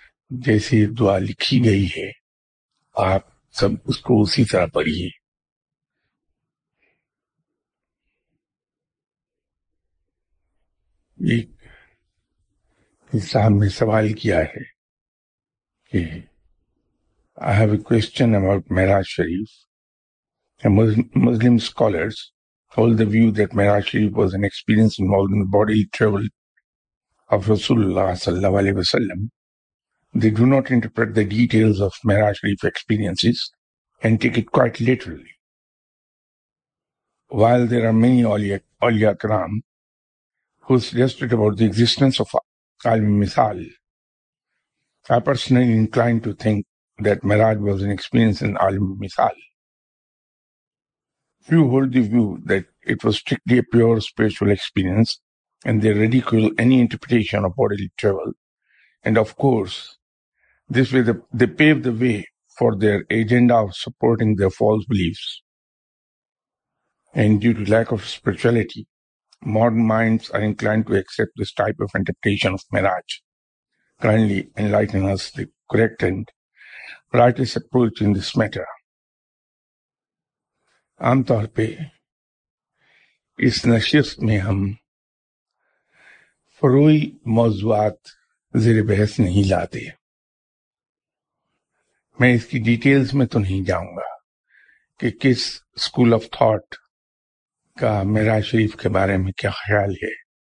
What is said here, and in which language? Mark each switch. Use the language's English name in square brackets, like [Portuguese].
[Urdu] جیسے دعا لکھی گئی ہے آپ سب اس کو اسی طرح پڑھیے. صاحب نے سوال کیا ہے کہ [English] I have a question about [Urdu] Meraj Sharif. [English] Muslim scholars hold the view that معراج شریف was an experience involving bodily travel of رسول اللہ صلی اللہ علیہ وسلم. They do not interpret the details of معراج شریف experiences and take it quite literally. While there are many اولیاء کرام who suggested about the existence of مثال, I personally inclined to think that Miraj was an experience in Alim Misal. Few hold the view that it was strictly a pure spiritual experience and they ridicule any interpretation of bodily travel. And of course, this way they pave the way for their agenda of supporting their false beliefs. And due to lack of spirituality, modern minds are inclined to accept this type of interpretation of Miraj. Kindly enlighten us the correct and rightest approach in this matter. [Urdu] عام طور پہ اس نشست میں ہم فروعی موضوعات زیر بحث نہیں لاتے. میں اس کی ڈیٹیلز میں تو نہیں جاؤں گا کہ کس اسکول آف تھاٹ کا معراج شریف کے بارے میں کیا خیال ہے.